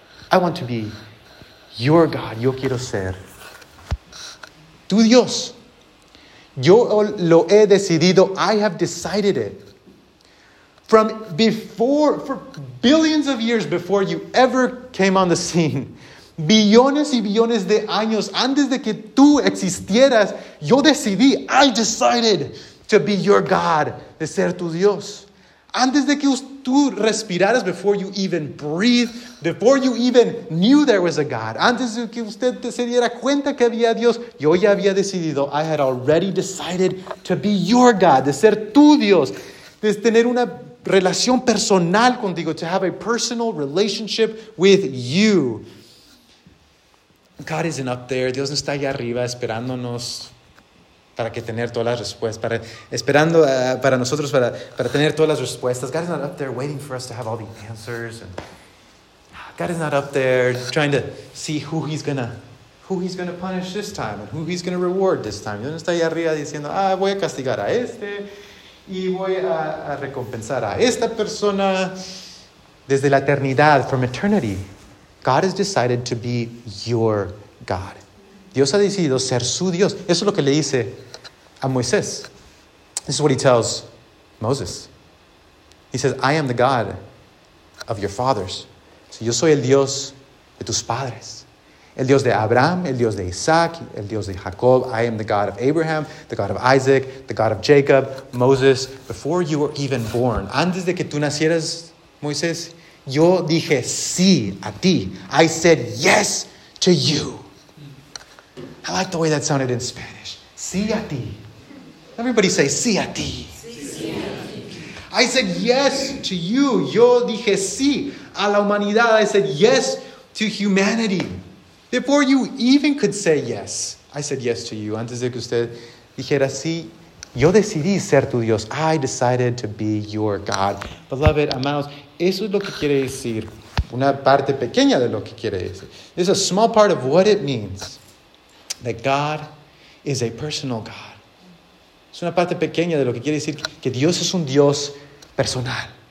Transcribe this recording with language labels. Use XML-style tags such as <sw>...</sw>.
<en>I want to be your God.</en> <es>Yo quiero ser tu Dios. Yo lo he decidido.</es> <en>I have decided it. From before, for billions of years before you ever came on the scene.</en> <es>Billones y billones de años antes de que tú existieras, yo decidí,</es> <en>I decided to be your God,</en> <es>de ser tu Dios. Antes de que tú respiraras,</es> <en>before you even breathed, before you even knew there was a God,</en> <es>antes de que usted se diera cuenta que había Dios, yo ya había decidido,</es> <en>I had already decided to be your God,</en> <es>de ser tu Dios, de tener una relación personal contigo,</es> <en>to have a personal relationship with you. God isn't up there,</en> <es>Dios no está allá arriba esperándonos para que tener todas las respuestas, para esperando para nosotros para tener todas las respuestas.</es> <en>God is not up there waiting for us to have all the answers. And God is not up there trying to see who he's gonna punish this time and who he's gonna reward this time.</en> <es>Dios no está ahí arriba diciendo, voy a castigar a este y voy a recompensar a esta persona. Desde la eternidad,</es> <en>from eternity, God has decided to be your God.</en> <es>Dios ha decidido ser su Dios. Eso es lo que le dice a Moisés.</es> <en>This is what he tells Moses. He says, I am the God of your fathers.</en> <es>So yo soy el Dios de tus padres. El Dios de Abraham, el Dios de Isaac, el Dios de Jacob.</es> <en>I am the God of Abraham, the God of Isaac, the God of Jacob, Moses. Before you were even born,</en> <es>antes de que tú nacieras, Moisés, yo dije sí a ti.</es> <en>I said yes to you. I like the way that sounded in Spanish.</en> <es>Sí a ti.</es> <en>Everybody say</en> <es>sí a ti.</es> <en>I said yes to you.</en> <es>Yo dije sí a la humanidad.</es> <en>I said yes to humanity. Before you even could say yes, I said yes to you.</en> <es>Antes de que usted dijera sí, yo decidí ser tu Dios.</es> <en>I decided to be your God. Beloved,</en> <es>amados, eso es lo que quiere decir. Una parte pequeña de lo que quiere decir.</es> <en>This is a small part of what it means that God is a personal God.</en> <es>Es una parte pequeña de lo que quiere decir que Dios es un Dios personal.</es>